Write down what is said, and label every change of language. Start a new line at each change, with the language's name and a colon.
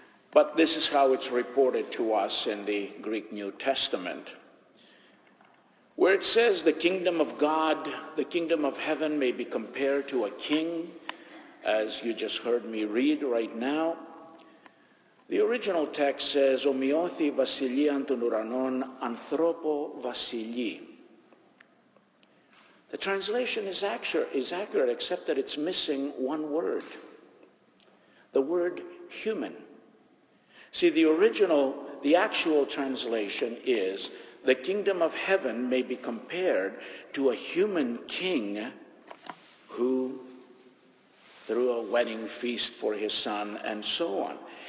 English: But this is how it's reported to us in the Greek New Testament, where it says, the kingdom of God, the kingdom of heaven may be compared to a king, as you just heard me read right now. The original text says,
Greek: Ομοιώθη βασιλείαν των ουρανών ανθρώπο βασιλεί.
English: The translation is accurate, except that it's missing one word, the word human. See, the actual translation is, the kingdom of heaven may be compared to a human king who threw a wedding feast for his son and so on.